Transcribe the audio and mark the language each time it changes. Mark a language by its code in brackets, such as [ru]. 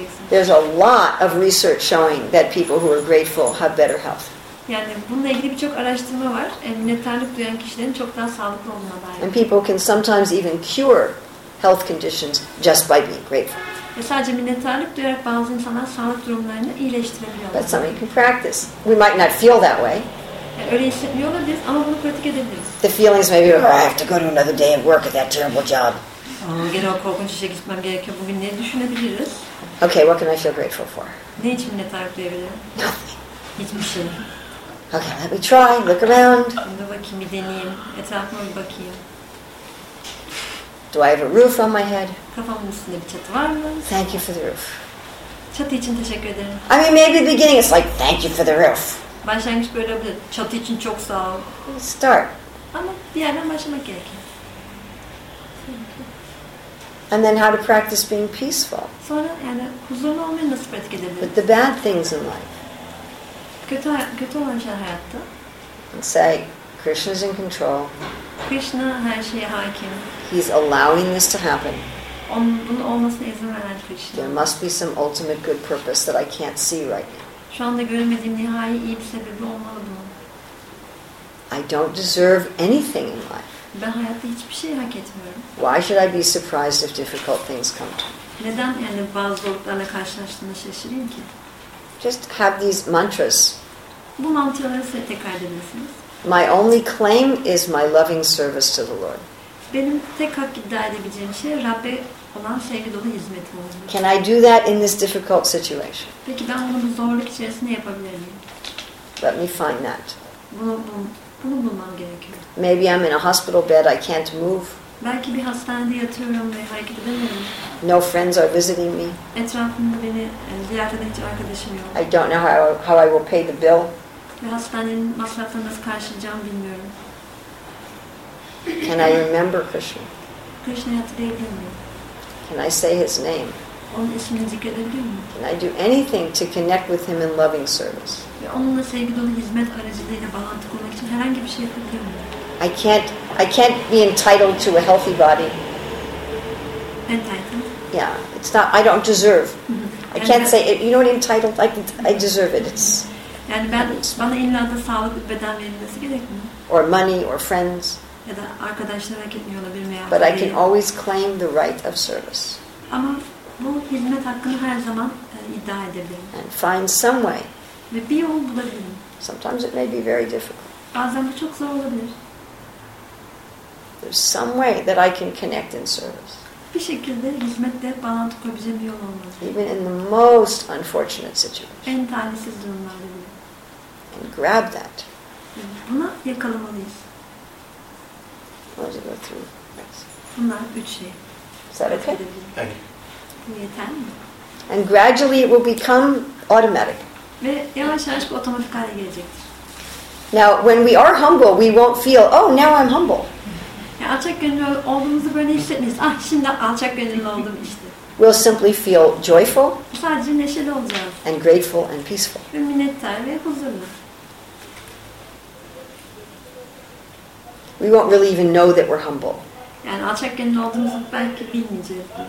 [en] There's a lot of research showing that people who are grateful have better health. [tr] Yani bununla ilgili birçok araştırma var. Minnettarlık duyan kişilerin çok daha sağlıklı olmasına dair. [en] And people can sometimes even cure health conditions just by being grateful. [tr] Ve sadece minnettarlık duyarak bazı insanlar sağlık durumlarını iyileştirebiliyorlar. [en] But some can practice. We might not feel that way. [tr] Yani öyle hissetmiyor olabiliriz ama bunu pratik edebiliriz. [en] The feelings may be, oh, I have to go to another day and work at that terrible job. [tr] Gene o korkunç işe gitmem gerekiyor. Bugün ne düşünebiliriz? [en] Okay, what can I feel grateful for? [tr] Ne için minnettarlık duyabilirim? [en] Nothing. [tr] Hiçbir şey. [en] Okay, let me try, look around. [tr] Bakayım, bir deneyeyim. Etrafıma bir bakayım. [en] Do I have a roof on my head? [tr] Kafamın üstünde bir çatı var mı? [en] Thank you for the roof. [tr] Çatı için teşekkür ederim. [en] I mean, maybe the beginning is like, thank you for the roof. [tr] Başlangıç böyle bir çatı için çok sağ ol. [en] Start. [tr] Ama bir yerden başlamak gerekiyor. [en] And then how to practice being peaceful. [tr] Sonra yani huzurlu olmayı nasıl pratik edebiliriz? [en] With the bad things in life. [tr] Kötü olan şeyler hayatta. [en] And say, Krishna is in control. [tr] Krishna her şeye hakim. [en] He's allowing this to happen. [tr] Onun bunun olmasına izin veren Krishna. [en] There must be some ultimate good purpose that I can't see right now. [tr] Şu anda göremediğim nihai iyi bir sebebi olmalı bunun. [en] I don't deserve anything in life. [tr] Ben hayatta hiçbir şey hak etmiyorum. [en] Why should I be surprised if difficult things come to me? [tr] Neden yani bazı zorluklarla karşılaştığımda şaşırayım ki? [en] Just have these mantras. [tr] Bu mantraları size tekrar edebilirsiniz. [en] My only claim is my loving service to the Lord. [tr] Benim tek hak iddia edebileceğim şey Rabb'e olan sevgi dolu hizmetim olmalı. [en] Can I do that in this difficult situation? [tr] Peki ben bunu bu zorluk içerisinde yapabilir miyim? [en] Let me find that. [tr] Bunu bulmam gerekiyor. [en] Maybe I'm in a hospital bed, I can't move. [tr] Belki bir hastanede yatıyorum ve hareket edemiyorum. [en] No friends are visiting me. [tr] Etrafımda beni ziyaret eden hiç arkadaşım yok. [en] I don't know how I will pay the bill. [tr] Ve hastanenin masraflarını nasıl karşılayacağımı bilmiyorum. [en] Can I remember Krishna? [tr] Krishna'yı hatırlayabilir miyim? [en] Can I say his name? [tr] Onun ismini zikredebilir miyim? [en] Can I do anything to connect with him in loving service? [tr] Ve onunla sevgi dolu hizmet aracılığıyla bağlantı kurmak için herhangi bir şey yapabilir miyim? [en] I can't be entitled to a healthy body. Entitled? Yeah, it's not. I don't deserve. I can't say it. You know what entitled? I deserve it. It's. [tr] Yani bana illa da sağlıklı beden verilmesi gerekmiyor. [en] Or money or friends. [tr] Ya da arkadaşlar hak etmiyor olabilir mi? [en] But I can always claim the right of service. [tr] Ama bu hizmet hakkını her zaman iddia edebilirim. [en] And find some way. [tr] Ve bir yol bulabilirim. [en] Sometimes it may be very difficult. [tr] Bazen bu çok zor olabilir. [en] There's some way that I can connect in service. [tr] Bir şekilde hizmette bağlantı kurabileceğim bir yol olmalı. [en] Even in the most unfortunate situation. [tr] En talihsiz durumlarda bile. [en] And grab that. [tr] Buna yakalamalıyız. [en] What did I go through? Yes. [tr] Bunlar üç şey. [en] Is that okay? Thank you. [tr] Bu yeter mi? [en] And gradually it will become automatic. [tr] Ve yavaş yavaş bu otomatik hale gelecektir. [en] Now, when we are humble, we won't feel, oh, now I'm humble. [tr] Yani alçak gönüllü olduğumuzu böyle hissetmeyiz. Ah, şimdi alçak gönüllü oldum işte. [en] We'll simply feel joyful. [tr] Sadece neşeli olacağız. [en] And grateful and peaceful. [tr] Ve minnettar ve huzurlu. [en] We won't really even know that we're humble. [tr] Yani alçak gönüllü olduğumuzu belki bilmeyeceğiz.